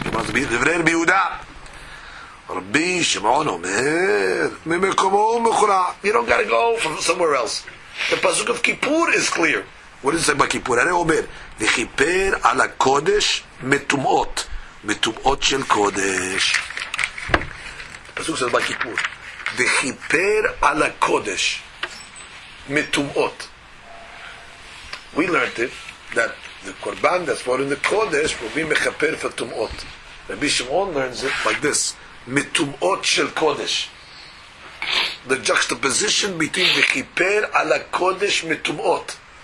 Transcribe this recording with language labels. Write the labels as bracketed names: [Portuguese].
[English] Rabbi Shimon Omer, you don't got to go from somewhere else. The Pasuk of Kippur is clear. What does it say about Kippur? Omer, [Hebrew] V'chiper ala kodesh metumot, בטומאות של קודש. פסוק של בכיפור, וכיפר על הקודש מטומאות. [English] We learned it that the korban that's brought in the kodesh will be mechaper for tumot. Rabbi Shimon learns it like this: mitumot shel kodesh. The juxtaposition between the kiper ala kodesh mitumot.